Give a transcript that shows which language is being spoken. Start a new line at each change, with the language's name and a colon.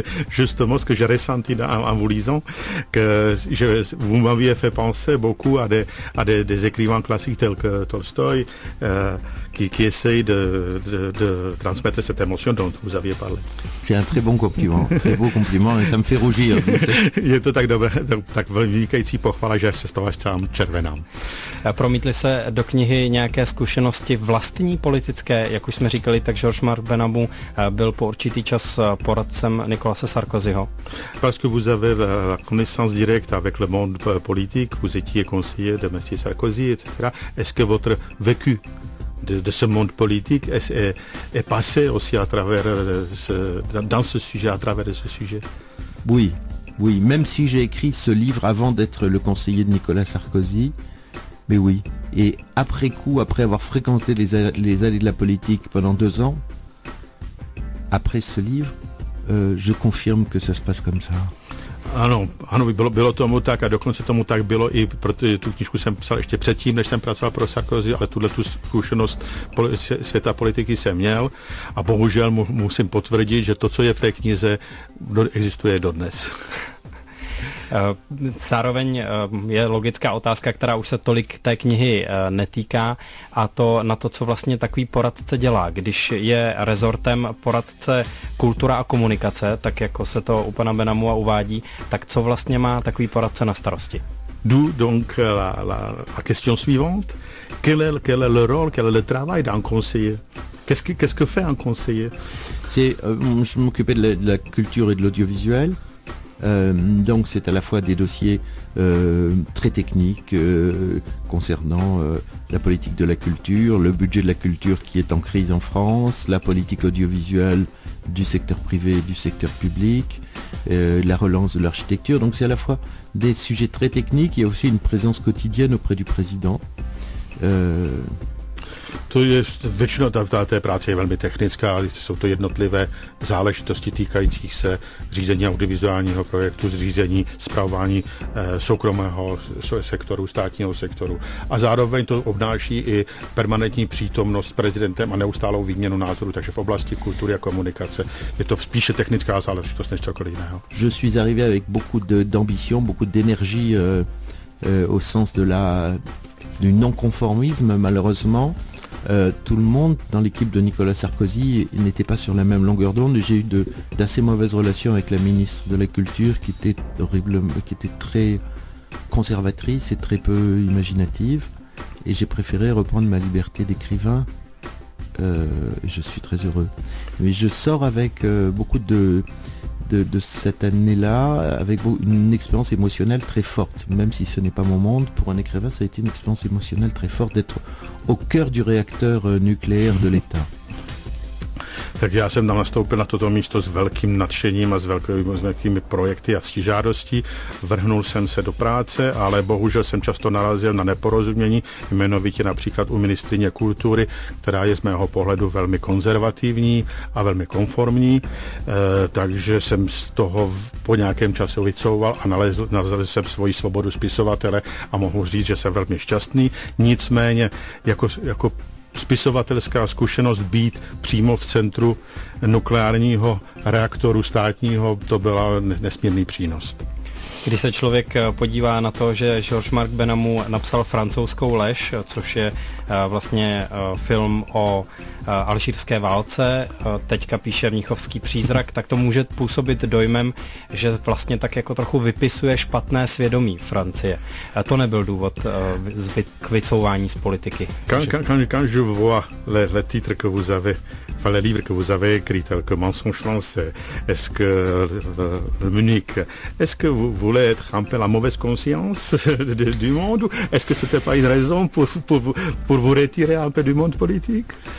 French: Justement ce que j'ai ressenti en vous lisant, que vous m'aviez fait penser beaucoup à des écrivains classiques tels que Tolstoy, qui essaye de transmettre cette émotion dont vous aviez parlé. C'est un très bon compliment, très beau compliment, et ça me fait rougir.
Czech: Je to tak dobré, tak vynikající pochvala, že se z toho až sám červenám. Promítli se do knihy nějaké zkušenosti vlastní politické, jak už jsme říkali, tak Georges-Marc Benamou byl po určitý čas poradcem Nicolase Sarkozyho.
French: Parce que vous avez la connaissance directe avec le monde politique, vous étiez conseiller de Monsieur Sarkozy, etc. Est-ce que votre vécu de ce monde politique est passé aussi à travers ce sujet? Oui, même si j'ai écrit ce livre avant d'être le conseiller de Nicolas Sarkozy, mais oui. Et après coup, après avoir fréquenté les allées de la politique pendant 2 ans, après ce livre, je confirme que ça se passe comme ça.
Czech: Ano, bylo tomu tak a dokonce tomu tak bylo i proto, tu knižku jsem psal ještě předtím, než jsem pracoval pro Sarkozy, ale tuhle tu zkušenost světa politiky jsem měl a bohužel musím potvrdit, že to, co je v té knize, existuje dodnes. Zároveň je logická otázka, která už se tolik té knihy netýká, a to na to, co vlastně takový poradce dělá. Když je rezortem poradce kultura a komunikace, tak jako se to u pana Benamua uvádí, tak co vlastně má takový poradce na starosti?
French: D'où donc la question suivante. Quel est le rôle, quel est le travail d'un conseiller? Qu'est-ce que fait un conseiller? Je m'occupais de la culture et de l'audiovisuel. Donc c'est à la fois des dossiers très techniques concernant la politique de la culture, le budget de la culture qui est en crise en France, la politique audiovisuelle du secteur privé et du secteur public, la relance de l'architecture. Donc c'est à la fois des sujets très techniques et aussi une présence quotidienne auprès du président.
Czech: To je většinou ta práce je velmi technická, jsou to jednotlivé záležitosti týkajících se řízení audiovizuálního projektu, řízení spravování soukromého sektoru, státního sektoru. A zároveň to obnáší i permanentní přítomnost s prezidentem a neustálou výměnu názoru, takže v oblasti kultury a komunikace je to spíše technická záležitost než cokoliv jiného.
French: Je suis arrivé avec beaucoup d'ambition, beaucoup d'énergie au sens de la du non-conformisme malheureusement. Tout le monde dans l'équipe de Nicolas Sarkozy n'était pas sur la même longueur d'onde. J'ai eu d'assez mauvaises relations avec la ministre de la Culture qui était horrible, qui était très conservatrice et très peu imaginative. Et j'ai préféré reprendre ma liberté d'écrivain. Je suis très heureux. Mais je sors avec beaucoup de cette année-là, avec une expérience émotionnelle très forte, même si ce n'est pas mon monde, pour un écrivain, ça a été une expérience émotionnelle très forte d'être au cœur du réacteur nucléaire de l'État.
Czech: Tak já jsem tam nastoupil na toto místo s velkým nadšením a s velkými projekty a ctižádostí. Vrhnul jsem se do práce, ale bohužel jsem často narazil na neporozumění, jmenovitě například u ministryně kultury, která je z mého pohledu velmi konzervativní a velmi konformní. Takže jsem z toho po nějakém čase vycouval a nalezl jsem svoji svobodu spisovatele a mohu říct, že jsem velmi šťastný. Nicméně, jako spisovatelská zkušenost být přímo v centru nukleárního reaktoru státního, to byla nesmírný přínos. Když se člověk podívá na to, že Georges Marc Benamou napsal Francouzskou lež, což je vlastně film o alžírské válce, teďka píše Mnichovský přízrak, tak to může působit dojmem, že vlastně tak jako trochu vypisuje špatné svědomí Francie. To nebyl důvod k vycouvání z politiky.
French: Quand je vois le titre que vous avez, enfin le livre que vous avez écrit, tel que Mensonge français, est-ce que le Munich, est-ce que vous voulez être un peu la mauvaise conscience du monde, est-ce que c'était pas une raison pour vous retirer un peu du monde politique?